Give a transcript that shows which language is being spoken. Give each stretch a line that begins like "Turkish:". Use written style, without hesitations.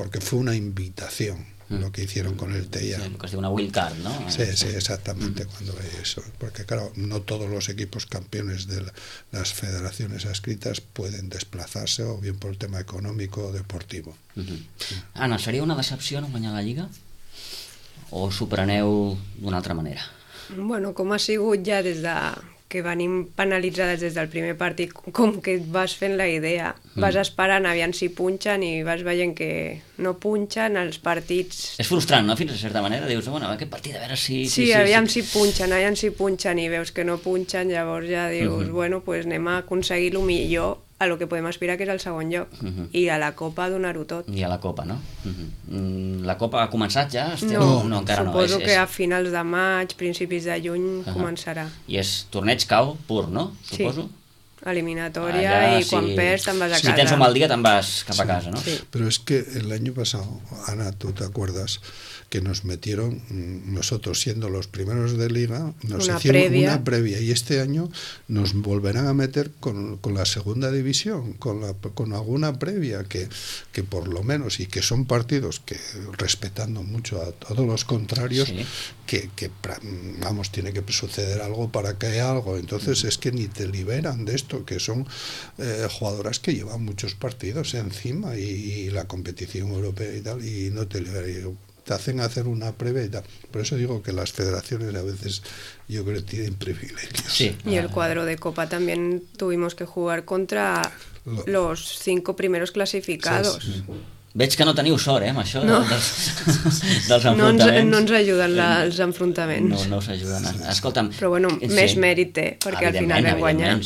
Spanish: Porque fue una invitación lo que hicieron con el TIA. Sí, casi una wild card, ¿no? Sí, sí, exactamente, cuando veis eso. Porque claro, no todos los equipos campeones de las federaciones adscritas pueden desplazarse, o bien por el tema económico o deportivo. Uh-huh. Sí. Ana, ¿sería una decepción
Catalan: guanyar la Lliga? ¿O s'ho preneu d'una altra manera? Bueno, com ha sigut ja des de que venim penalitzades des del primer partit, com que et vas fent la idea, vas esperant aviam si punxen i vas veient que no punxen els partits. És frustrant, no? Fins a certa manera, dius, bueno, aquest partit, a veure si... Sí, aviam si punxen, aviam si punxen, i veus que no punxen, llavors ja dius, bueno, pues anem a aconseguir el millor a lo que podem aspirar, que és el segon lloc. Uh-huh. I a la Copa donar-ho tot. I a la Copa, no? Uh-huh. La Copa ha començat ja? No, no, encara suposo no. Que a finals de maig, principis de juny, uh-huh, començarà. I és torneig cau pur, no? Suposo? Sí. Eliminatoria, allà, i sí, quan perds te'n vas a casa. Si tens un mal dia te'n vas cap a casa, no? Sí. Però és que l'any passat, Anna, tu t'acordes que
Spanish: nos metieron, nosotros siendo los primeros de liga, nos una hicieron previa. Una previa, y este año nos volverán a meter con la segunda división, con alguna previa, que por lo menos, y que son partidos que, respetando mucho a todos los contrarios, sí, que vamos, tiene que suceder algo para que haya algo. Entonces, uh-huh, es que ni te liberan de esto, que son jugadoras que llevan muchos partidos encima, y la competición europea y tal, y no te liberan. Te hacen hacer una previa y tal. Por eso digo que las federaciones a veces, yo creo, tienen privilegios. Sí. Y el cuadro de Copa también tuvimos que jugar contra los cinco primeros clasificados.
Catalan: Veig que no teniu sort, amb això, no, dels enfrontaments. No ens ajuden els enfrontaments. No us ajuden. Escolta'm, però bueno, sí, més mèrit té, perquè al final hem guanyat.